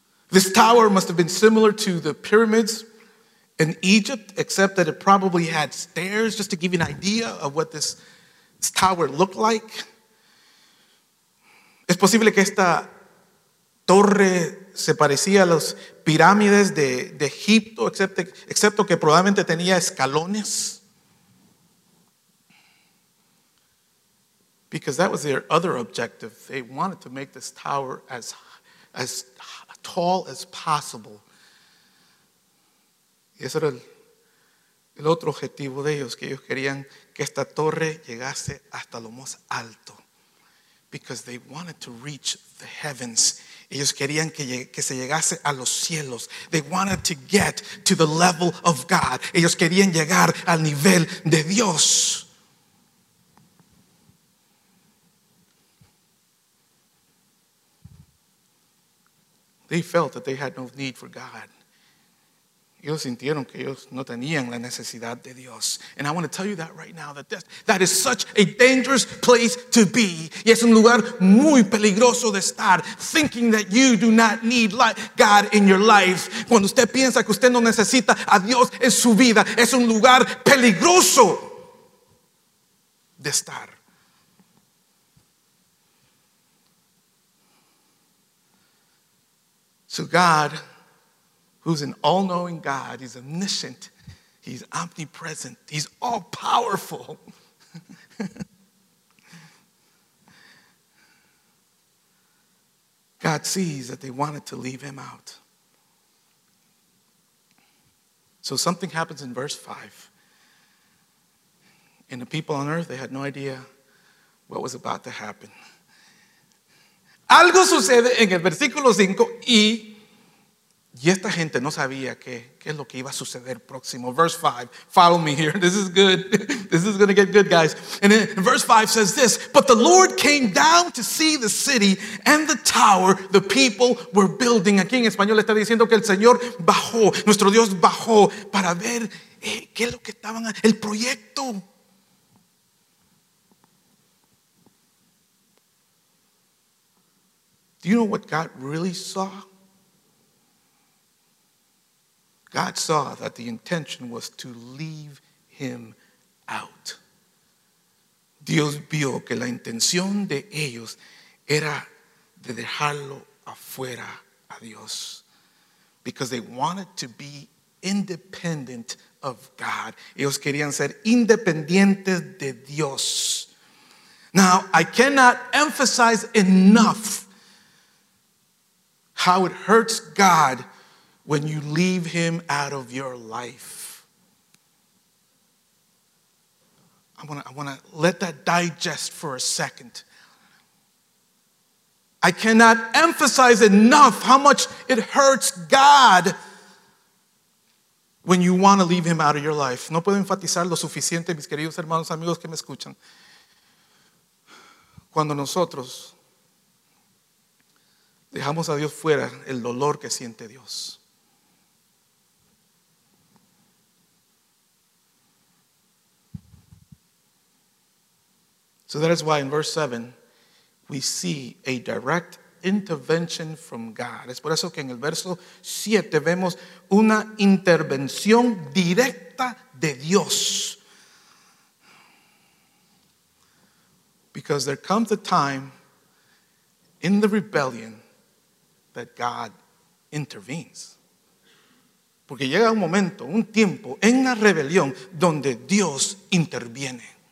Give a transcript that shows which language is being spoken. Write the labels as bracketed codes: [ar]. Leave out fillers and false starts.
[en] This tower must have been similar to the pyramids in Egypt, except that it probably had stairs, just to give you an idea of what this tower looked like. [es] Es posible que esta torre se parecía a las pirámides de Egipto, excepto que probablemente tenía escalones. [en] Because that was their other objective. They wanted to make this tower as tall as possible. [es] Y ese era el otro objetivo de ellos, que ellos querían que esta torre llegase hasta lo más alto. [en] Because they wanted to reach the heavens. [es] Ellos querían que se llegase a los cielos. [en] They wanted to get to the level of God. [es] Ellos querían llegar al nivel de Dios. [en] They felt that they had no need for God. [es] Ellos sintieron que ellos no tenían la necesidad de Dios. [en] And I want to tell you that right now, that is such a dangerous place to be. [es] Y es un lugar muy peligroso de estar, [en] thinking that you do not need God in your life. [es] Cuando usted piensa que usted no necesita a Dios en su vida, es un lugar peligroso de estar. [en] So God, who's an all-knowing God, he's omniscient, he's omnipresent, he's all-powerful. God sees that they wanted to leave him out. So something happens in verse 5. And the people on earth, they had no idea what was about to happen. [es] Algo sucede en el versículo 5 y esta gente no sabía qué es lo que iba a suceder próximo. [en] Verse 5, follow me here. This is good. This is going to get good, guys. And then verse 5 says this, but the Lord came down to see the city and the tower the people were building. [es] Aquí en español está diciendo que el Señor bajó, nuestro Dios bajó para ver qué es lo que estaban, el proyecto. [en] Do you know what God really saw? God saw that the intention was to leave him out. [es] Dios vio que la intención de ellos era de dejarlo afuera a Dios. [en] Because they wanted to be independent of God. [es] Ellos querían ser independientes de Dios. [en] Now, I cannot emphasize enough how it hurts God when you leave him out of your life. I wanna let that digest for a second. I cannot emphasize enough how much it hurts God when you want to leave him out of your life. [es] No puedo enfatizar lo suficiente, mis queridos hermanos, amigos que me escuchan. Cuando nosotros dejamos a Dios fuera, el dolor que siente Dios. [en] So that is why in verse 7, we see a direct intervention from God. [es] Es por eso que en el verso 7 vemos una intervención directa de Dios. [en] Because there comes a time in the rebellion that God intervenes. [es] Porque llega un momento, un tiempo en la rebelión donde Dios interviene.